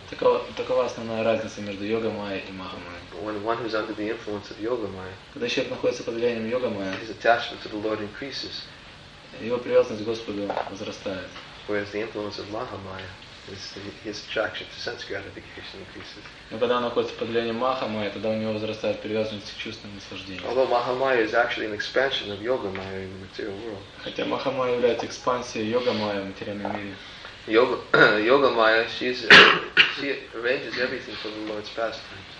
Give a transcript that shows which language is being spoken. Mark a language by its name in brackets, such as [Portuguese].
[Russian] Такова основная разница между йога майя и маха майя. [English] When one is under the influence of yoga maya, [Russian] когда человек находится под влиянием йога майя, [English] his attachment to the Lord increases. [Russian] Его привязанность к Господу возрастает. [English] Whereas the influence of maha maya, his attraction to sense gratification increases. [Russian] Но когда он находится под влиянием маха майя, тогда у него возрастает привязанность к чувственным наслаждениям. [English] Although maha maya is actually an expansion of yoga maya in the material world. [Russian] Хотя маха майя является экспансией йога майя в материальном мире. [English] Yoga Maya, she arranges everything for the Lord's pastimes.